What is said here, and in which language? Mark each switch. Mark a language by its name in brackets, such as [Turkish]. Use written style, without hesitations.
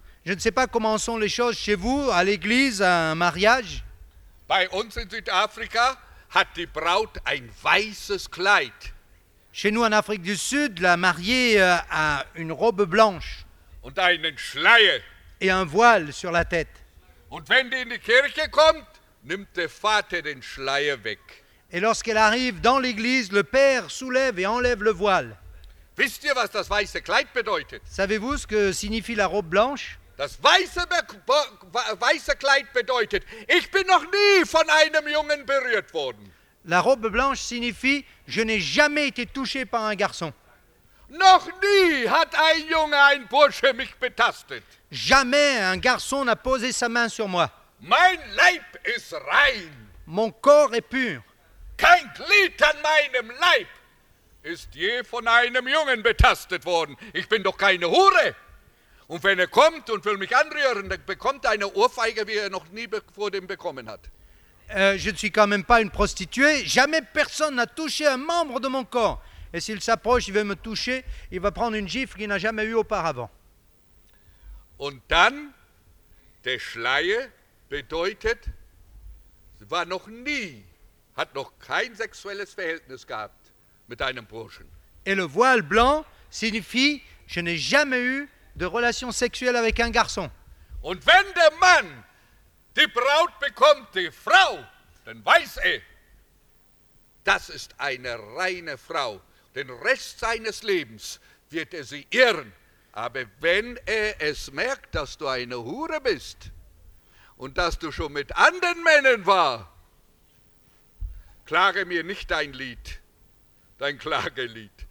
[French] Je ne sais pas comment sont les choses chez vous, à l'église, à un mariage. [German] Bei uns in Südafrika hat die Braut ein weißes Kleid. [French] Chez nous en Afrique du Sud, la mariée a une robe blanche. [German] Und einen Schleier. [French] Et un voile sur la tête. [German] Und wenn die in die Kirche kommt, nimmt der Vater den Schleier weg. [French] Et lorsqu'elle arrive dans l'église, le père soulève et enlève le voile. [German] Wisst ihr, was das weiße Kleid bedeutet? [French] Savez-vous ce que signifie la robe blanche? [German] Das weiße Kleid bedeutet, ich bin noch nie von einem Jungen berührt worden. [French] La robe blanche signifie, je n'ai jamais été touché par un garçon. [German] Noch nie hat ein Junge, ein Bursche mich betastet. [French] Jamais un garçon n'a posé sa main sur moi. [German] Mein Leib ist rein. [French] Mon corps est pur. [German] Kein Glied an meinem Leib ist je von einem Jungen betastet worden. Ich bin doch keine Hure. Und wenn er kommt und will mich anrühren, dann bekommt er eine Ohrfeige, wie er noch nie vor dem bekommen hat. [French] je ne suis quand même pas une prostituée. Jamais personne n'a touché un membre de mon corps. Et s'il s'approche, il veut me toucher, il va prendre une gifle qu'il n'a jamais eue auparavant. [German] Und dann, der Schleier bedeutet, war noch nie, hat noch kein sexuelles Verhältnis gehabt mit einem Burschen. [French] Et le voile blanc signifie, je n'ai jamais eu de relation sexuelle avec un garçon. [German] Und wenn der Mann die Braut bekommt, die Frau, dann weiß das ist eine reine Frau. Den Rest seines Lebens wird sie irren. Aber wenn es merkt, dass du eine Hure bist und dass du schon mit anderen Männern war, klage mir nicht dein Lied, dein Klagelied.